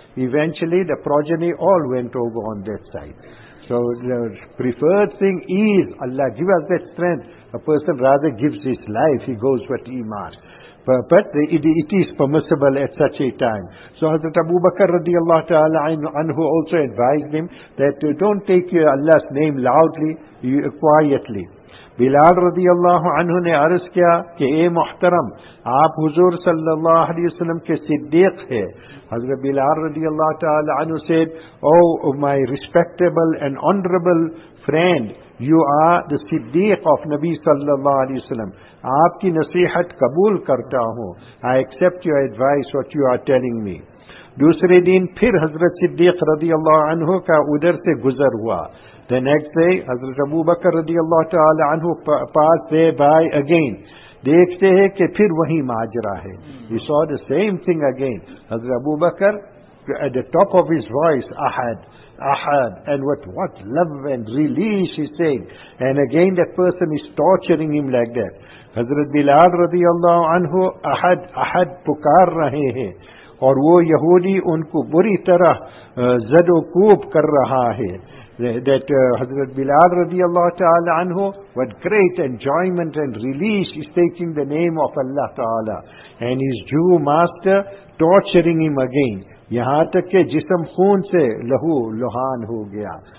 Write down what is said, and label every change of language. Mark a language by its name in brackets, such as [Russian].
[English] Eventually, the progeny all went over on that side. So the preferred thing is, Allah give us that strength. A person rather gives his life, he goes with iman. But it is permissible at such a time. So Hazrat Abu Bakr radiallahu ta'ala anhu also advised him that don't take Allah's name loudly, quietly. [Urdu] بلال رضی اللہ عنہ نے عرض کیا کہ اے محترم، آپ حضور صلی اللہ علیہ وسلم کے صدیق ہیں. [English] حضرت بلال رضی اللہ تعالی عنہ said, oh my respectable and honorable friend, you are the Siddiq of Nabi صلی اللہ علیہ وسلم. [Urdu] آپ کی نصیحت قبول کرتا ہوں. [English] I accept your advice, what you are telling me. [Urdu] دوسرے دن پھر حضرت صدیق رضی اللہ عنہ کا ادھر سے گزر ہوا. [English] The next day, حضرت ابو بکر رضی اللہ تعالی عنہ پاس سے بائے اگین. [Urdu] دیکھتے ہیں کہ پھر وہی ماجرا ہے. [English] We saw the same thing again. حضرت ابو بکر at the top of his voice, Ahad Ahad, and what love and release he's saying. And again that person is torturing him like that. [Urdu] حضرت بلال رضی اللہ عنہ احد احد پکار رہے ہیں اور وہ یہودی ان کو بری طرح زد و کوب کر رہا ہے. [English] That Hazrat Bilal radiallahu ta'ala anhu, what great enjoyment and release is taking the name of Allah ta'ala. And his Jew master torturing him again. [Urdu] یہاں تک کہ جسم خون سے لہو لہان ہو گیا.